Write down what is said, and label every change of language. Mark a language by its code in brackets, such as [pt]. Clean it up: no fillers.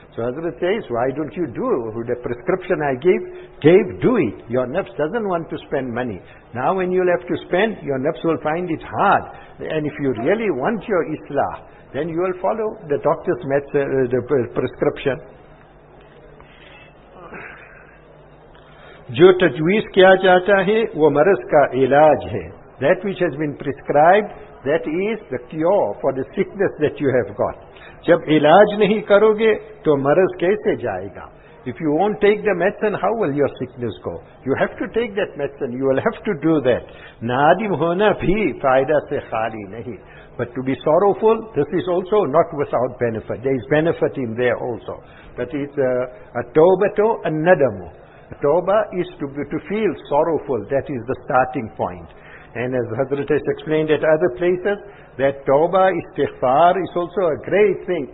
[en] So Hazrat says, why don't you do the prescription I gave, do it. Your nafs doesn't want to spend money. Now when you'll have to spend, your nafs will find it hard. And if you really want your islah, then you will follow the doctor's the prescription. [ur] جو تجویز کیا جاتا ہے وہ مرض کا علاج ہے. [en] That which has been prescribed, that is the cure for the sickness that you have got. [ur] جب علاج نہیں کرو گے تو مرض کیسے جائے گا. [en] If you won't take the medicine, how will your sickness go? You have to take that medicine, you will have to do that. [ur] نادم ہونا بھی فائدہ سے خالی نہیں. [en] But to be sorrowful, this is also not without benefit. There is benefit in there also. But it's a tawbato and nadamu. Tawbah is to feel sorrowful. That is the starting point. And as Hazrat has explained at other places, that tawbah, istighfar, is also a great thing.